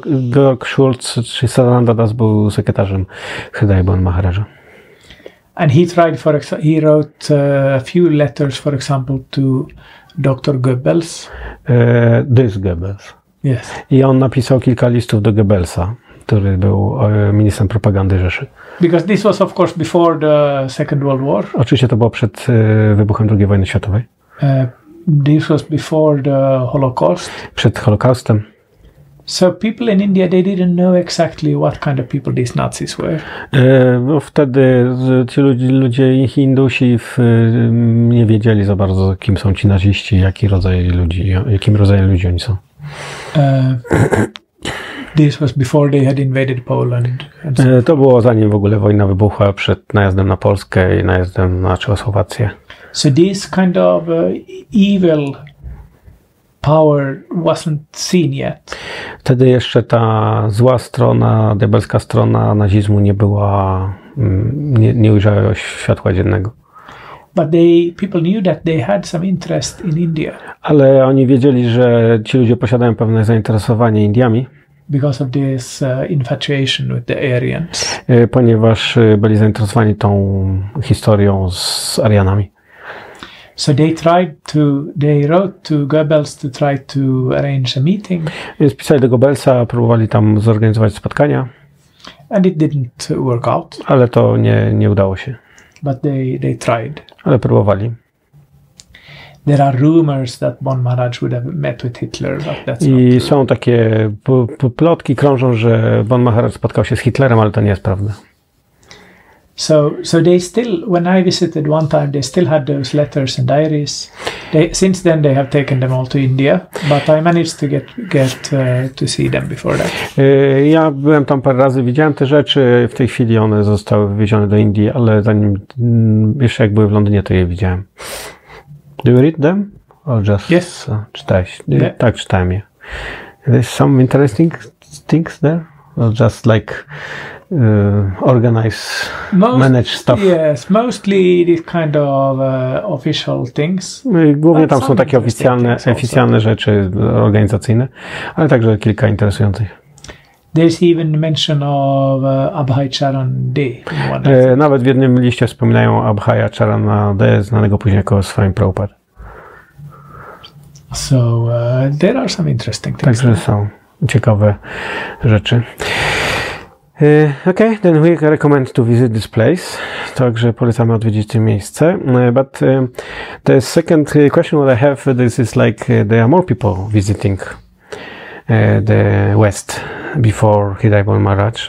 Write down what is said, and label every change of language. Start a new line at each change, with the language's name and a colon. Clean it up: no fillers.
Polish: Georg Schulz, czy Sadananda Das, był sekretarzem Hidaibon Maharaja.
English: And he tried, for example, he wrote a few letters, for example, to Dr. Goebbels. This Goebbels. Yes.
Polish: I on napisał kilka listów do Goebbelsa, który był ministrem propagandy Rzeszy.
English: Because this was, of course, before the Second World War.
Polish: Oczywiście to było przed wybuchem II wojny światowej.
English: This was before the Holocaust.
Polish: Przed Holokaustem.
English: So people in India, they didn't know exactly what kind of people these Nazis were.
Polish: No wtedy ci ludzie, Hindusi nie wiedzieli za bardzo, kim są ci naziści, jakim rodzajem ludzi oni są.
English: This was before they had invaded Poland.
Polish: To było zanim w ogóle wojna wybuchła, przed najazdem na Polskę i najazdem na Czechosłowację.
English: So this kind of evil power wasn't seen yet.
Polish: Wtedy jeszcze ta zła strona, diabelska strona nazizmu nie była, nie ujrzała światła dziennego.
English: But they people knew that they had some interest in India.
Polish: Ale oni wiedzieli, że ci ludzie posiadają pewne zainteresowanie Indiami.
English: Because of this infatuation with the Aryans.
Polish: Ponieważ byli zainteresowani tą historią z Arianami.
English: So they tried to, they wrote to Goebbels to try to arrange a meeting.
Polish: Więc pisali do Goebbelsa, próbowali tam zorganizować spotkania.
English: And it didn't work out.
Polish: Ale to nie udało się.
English: But they tried.
Polish: Ale próbowali.
English: There are rumors that Bon Maharaj would have met with Hitler, but that's
Polish: I są takie plotki krążą, że Bon Maharaj spotkał się z Hitlerem, ale to nie jest prawda.
English: So they still, when I visited one time, they still had those letters and diaries. Since then, they have taken them all to India, but I managed to get to see them before that.
Polish: Ja byłem tam parę razy, widziałem te rzeczy. W tej chwili one zostały wywiezione do Indii, ale zanim jeszcze jak byłem w Londynie, to je widziałem.
English: Do you read them or just? Yes.
Polish: Czytałeś? Yeah. Tak, czytałem je.
English: There's some interesting things there, or just like. Organize, most, manage stuff. Yes, mostly these kind of official things.
Polish: Głównie tam są takie oficjalne rzeczy organizacyjne, ale także kilka interesujących.
English: There's even mention of Abhay Charan De.
Polish: Nawet w jednym liście wspominają Abhaya Charana De, znanego później jako swoim Prabhupad.
English: So there are some interesting things.
Polish: Także są ciekawe rzeczy.
English: Okay, then we recommend to visit this place.
Polish: Także polecamy odwiedzić to miejsce.
English: But the second question that I have, this is like there are more people visiting the West before Hidaibon Maharaj.